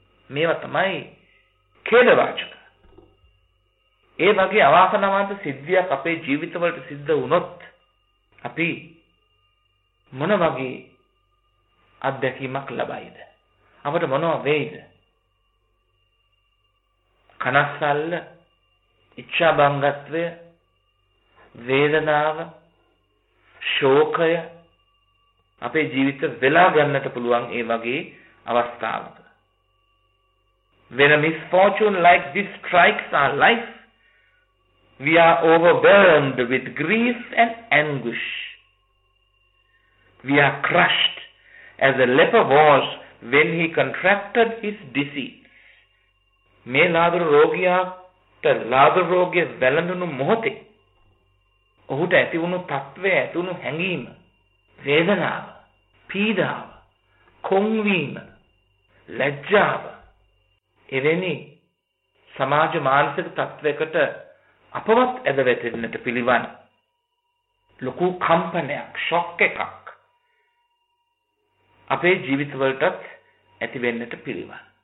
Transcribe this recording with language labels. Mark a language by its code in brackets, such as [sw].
[si] මේවා තමයි ඛේදවාචක. ඒ වගේ අවාසනාවන්ත සිද්ධියක් අපේ ජීවිතවලට සිද්ධ වුණොත් අපි මොන වගේ අත්දැකීමක් ලබයිද? අපට මොනව වෙයිද? කනස්සල්ල, ඉච්ඡාබංගත්වය, වේදනාව, ශෝකය අපේ ජීවිත වෙලා ගන්නට පුළුවන්. ඒ වගේ අවස්ථාවක [en] when a misfortune like this strikes our life, we are overwhelmed with grief and anguish. We are crushed as a leper was when he contracted his disease. [si] මේ නාදුරු රෝගියාට නාදුරු රෝගිය වැළඳුණු මොහොතේ ඔහුට ඇතිවුණු තත්ත්වය, ඇතිවුණු හැඟීම, වේදනාව, පීඩාව, කොන්වීම, ලැජ්ජාව, එවැනි සමාජ මානසික තත්ත්වයකට අපවත් ඇදවැටෙන්නට පිළිවන් ලොකු කම්පනයක්, ෂොක් එකක් අපේ ජීවිතවලටත් ඇතිවෙන්නට පිළිවන්.